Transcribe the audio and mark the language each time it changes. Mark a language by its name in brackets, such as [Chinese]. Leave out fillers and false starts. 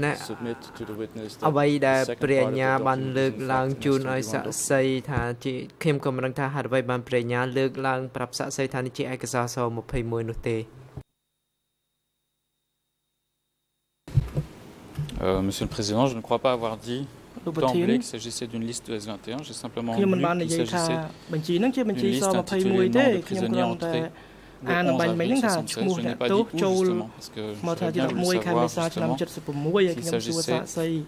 [English] submit to the witness [Khmer] អ្វីដែលព្រះអញ្ញាបានលើកឡើងជូនឲ្យសាក់សីថាជាខ្ញុំក៏មិនដឹងថាហេតុអ្វីបានព្រះអញ្ញាលើកឡើងប្រាប់សាក់សីថានេះជាឯកសារស21នោះទេ [French] monsieur le président je ne crois pas avoir dit d'emblée qu'il s'agissait d'une liste de S21 j'ai simplement [Khmer] ខ្ញុំមិនបាននិយាយថាបញ្ជីនឹងជាបញ្ជីស21ទេខ្ញុំគ្រាន់តែអានបានមិញថាឈ្មោះអ្នកទោសចូលមកថាទី11ខែមេសាឆ្នាំ76ឲ្យខ្ញុំសួរសាកសី